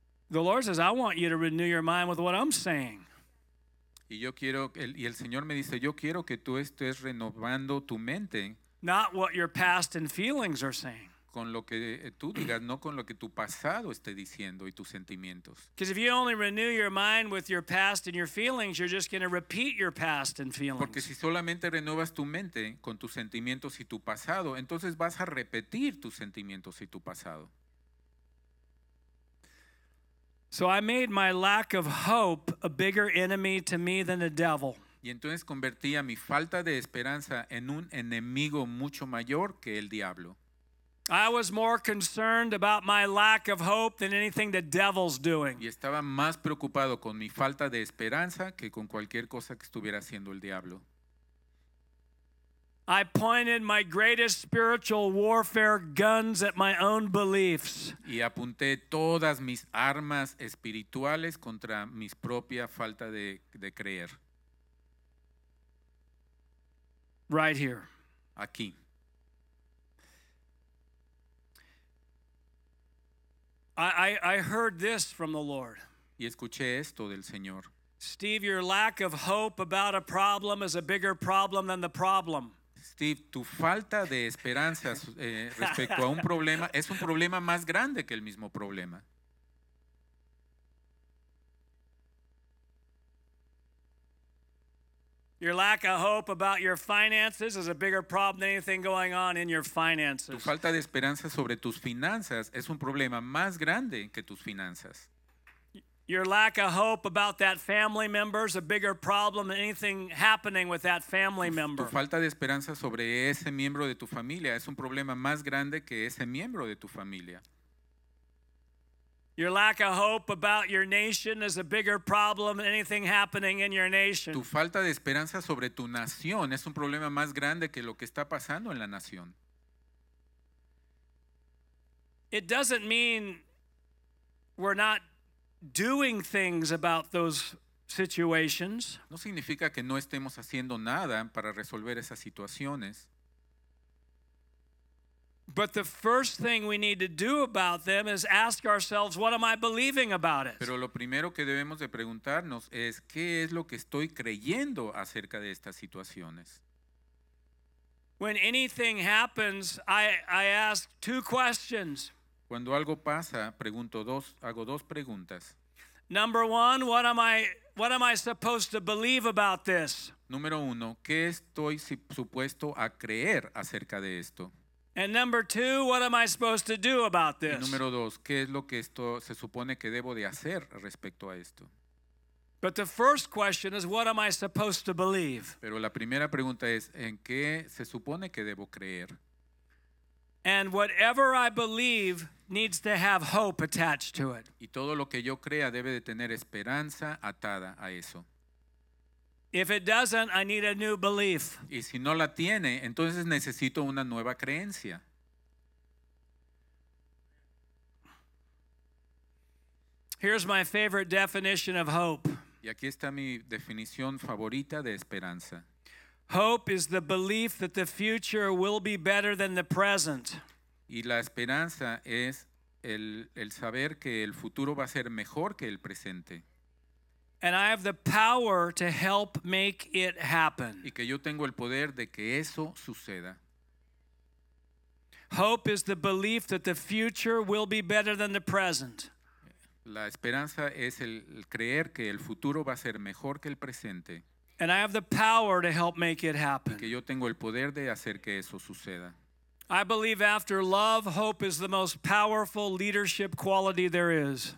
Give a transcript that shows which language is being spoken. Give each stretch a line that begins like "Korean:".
English: The Lord says, I want you to renew your mind with what I'm saying.
Spanish: Y yo quiero, y el Señor me dice, yo quiero que tú estés renovando tu mente.
English: Not what your past and feelings are saying.
Spanish: Con lo que tú digas, no con lo que tu pasado esté diciendo y tus sentimientos.
English: Because if you only renew your mind with your past and your feelings, you're just going to repeat your past and feelings.
Spanish: Porque si solamente renuevas tu mente con tus sentimientos y tu pasado, entonces vas a repetir tus sentimientos y tu pasado.
English: So I made my lack of hope a bigger enemy to me than the devil.
Spanish: Y entonces convertí a mi falta de esperanza en un enemigo mucho mayor que el diablo.
English: I was more concerned about my lack of hope than anything the devil's doing.
Spanish: Y estaba más preocupado con mi falta de esperanza que con cualquier cosa que estuviera haciendo el diablo.
English: I pointed my greatest spiritual warfare guns at my own beliefs.
Spanish: Y apunté todas mis armas espirituales contra mi propia falta de creer.
English: Right here.
Spanish: Aquí.
English: I heard this from the Lord.
Spanish: Y escuché esto del Señor.
English: Steve, your lack of hope about a problem is a bigger problem than the problem.
Spanish: Steve, tu falta de esperanza respecto a un problema es un problema más grande que el mismo problema.
English: Your lack of hope about your finances is a bigger problem than anything going on in your finances.
Spanish: Tu falta de esperanza sobre tus finanzas es un problema más grande que tus finanzas.
English: Your lack of hope about that family member is a bigger problem than anything happening with that family member.
Spanish: Tu falta de esperanza sobre ese miembro de tu familia es un problema más grande que ese miembro de tu familia.
English: Your lack of hope about your nation is a bigger problem than anything happening in your nation.
Spanish: Tu falta de esperanza sobre tu nación es un problema más grande que lo que está pasando en la nación.
English: It doesn't mean we're not doing things about those situations.
Spanish: No significa que no estemos haciendo nada para resolver esas situaciones.
English: But the first thing we need to do about them is ask ourselves, what am I believing about it?
Spanish: Pero lo primero que debemos de preguntarnos es, ¿qué es lo que estoy creyendo acerca de estas situaciones?
English: When anything happens, I ask two questions.
Spanish: Cuando algo pasa, hago dos preguntas.
English: Number one, what am I supposed to believe about this?
Spanish: Número uno, ¿qué estoy supuesto a creer acerca de esto?
English: And number two, what am I supposed to do about this?
Spanish: Y número dos, ¿qué es lo que esto se supone que debo de hacer respecto a esto?
English: But the first question is, what am I supposed to believe?
Spanish: Pero la primera pregunta es, ¿en qué se supone que debo creer?
English: And whatever I believe needs to have hope attached to it.
Spanish: Y todo lo que yo crea debe de tener esperanza atada a eso.
English: If it doesn't, I need a new belief.
Spanish: Y si no la tiene, entonces necesito una nueva creencia.
English: Here's my favorite definition of hope.
Spanish: Y aquí está mi definición favorita de esperanza.
English: Hope is the belief that the future will be better than the present.
Spanish: Y la esperanza es el saber que el futuro va a ser mejor que el presente.
English: And I have the power to help make it happen.
Spanish: Y que yo tengo el poder de que eso suceda.
English: Hope is the belief that the future will be better than the present.
Spanish: La esperanza es el creer que el futuro va a ser mejor que el presente.
English: And I have the power to help make it happen.
Spanish: Y que yo tengo el poder de hacer que eso suceda.
English: I believe after love, hope is the most powerful leadership quality there is.